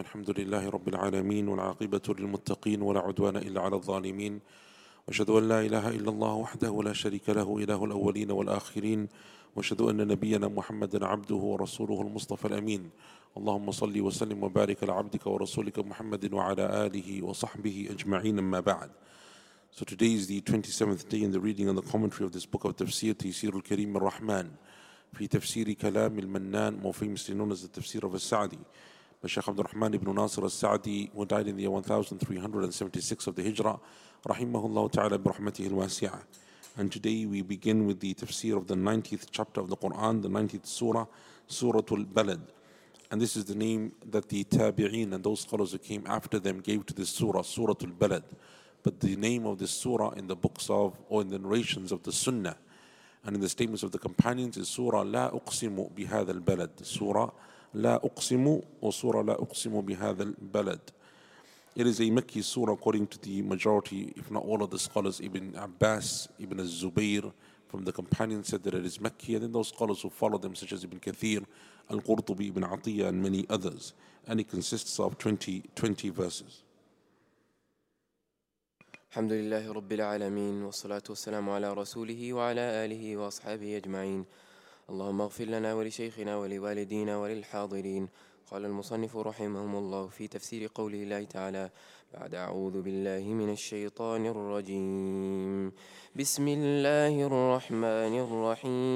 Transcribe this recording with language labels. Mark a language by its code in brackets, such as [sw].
[ar] الحمد لله رب العالمين، والعاقبة للمتقين، ولا عدوان إلا على الظالمين. وأشهد أن لا إله إلا الله وحده لا شريك له، إله الأولين والآخرين. وأشهد أن نبينا محمدا عبده ورسوله المصطفى الأمين. اللهم صل وسلم وبارك على عبدك ورسولك محمد وعلى آله وصحبه أجمعين، أما بعد. [en] So today is the 27th day in the reading and the commentary of this book of Tafsir, Tafsir al-Karim al-Rahman. [ar] في تفسير كلام المنان موفي مسلمون از التفسير اوف السعدي الشيخ عبد الرحمن بن ناصر السعدي [en] who died in the year 1376 of the Hijra [ar] رحمه الله تعالى برحمته الواسعة. [en] And today we begin with the tafsir of the 90th chapter of the Quran, the 90th surah, Suratul Balad. And this is the name that the Tabi'een and those scholars who came after them gave to this surah, Suratul Balad. But the name of this surah in the books of or in the narrations of the Sunnah and in the statements of the companions is Surah La Uqsimu Bihadha Al-Balad. Surah La Uqsimu or Surah La Uqsimu Bihadha Al-Balad. It is a Makki surah according to the majority, if not all of the scholars. Ibn Abbas, Ibn Al-Zubayr from the companions said that it is Makki. And then those scholars who follow them, such as Ibn Kathir, Al-Qurtubi, Ibn Atiyah, and many others. And it consists of 20 verses. [ar] الحمد لله رب العالمين والصلاة والسلام على رسوله وعلى آله وأصحابه أجمعين اللهم اغفر لنا ولشيخنا ولوالدينا وللحاضرين. قال المصنف رحمهم الله في تفسير قوله الله تعالى بعد أعوذ بالله من الشيطان الرجيم بسم الله الرحمن الرحيم.